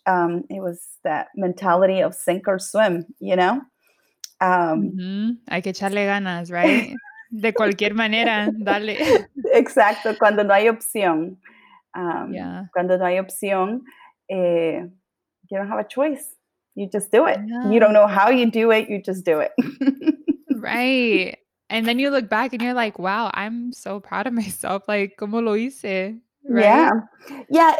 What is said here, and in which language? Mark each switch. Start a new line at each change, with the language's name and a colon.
English: It was that mentality of sink or swim, you know?
Spanish: Hay que echarle ganas, right? De cualquier manera, dale. Exacto, cuando no hay opción. Cuando no hay opción,
English: you don't have a choice. You just do it. Yeah. You don't know how you do it, you just do it. Right. And then you look back and you're like, wow, I'm so proud of myself.
Spanish: Like, como lo hice? Right?
English: Yeah. Yeah.